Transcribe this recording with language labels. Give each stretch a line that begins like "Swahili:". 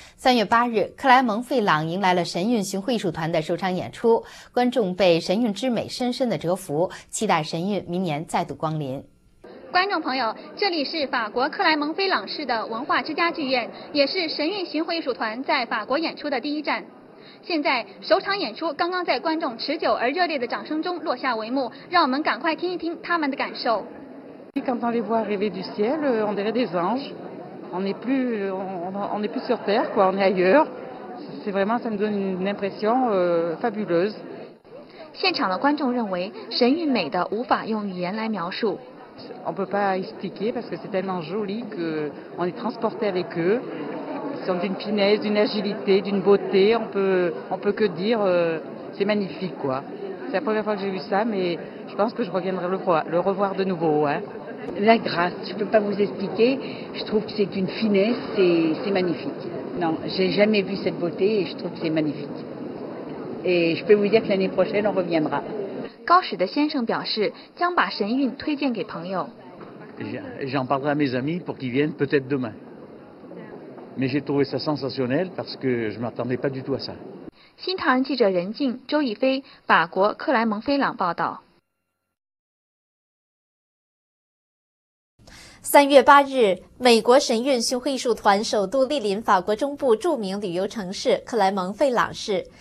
Chinese: 3月8日，克莱蒙费朗迎来了神韵巡回艺术团的首场演出，观众被神韵之美深深的折服，期待神韵明年再度光临。观众朋友，这里是法国克莱蒙费朗市的文化之家剧院，也是神韵巡回艺术团在法国演出的第一站。现在首场演出刚刚在观众持久而热烈的掌声中落下帷幕，让我们赶快听一听他们的感受。
French: Quand on les voit arriver du ciel, on dirait des anges. On n'est plus sur terre, quoi. On est ailleurs. C'est vraiment, ça me donne une impression fabuleuse.
Chinese: 现场的观众认为，神韵美的无法用语言来描述。
French: On peut pas expliquer parce que c'est tellement joli que on est transporté avec eux. Ils sont d'une finesse, d'une agilité, d'une beauté. On peut que dire, c'est magnifique, quoi. C'est la première fois que j'ai vu ça, mais je pense que je reviendrai le revoir de nouveau, hein. La grâce, je ne peux pas vous expliquer. Je trouve que c'est une finesse, c'est magnifique. Non, je n'ai jamais vu cette beauté et je trouve que c'est magnifique. Et je peux vous dire que l'année prochaine, on reviendra.
Chinese: 高史的先生表示将把神韵推荐给朋友。
French: J'en parlerai à mes amis pour qu'ils viennent peut-être demain. Mais j'ai trouvé ça sensationnel parce que je ne m'attendais pas du tout à ça.
Chinese: 新唐人记者任静、周以飞，法国克莱蒙菲朗报道。 3月8日，美国神韵巡回艺术团首度莅临法国中部著名旅游城市克莱蒙费朗市。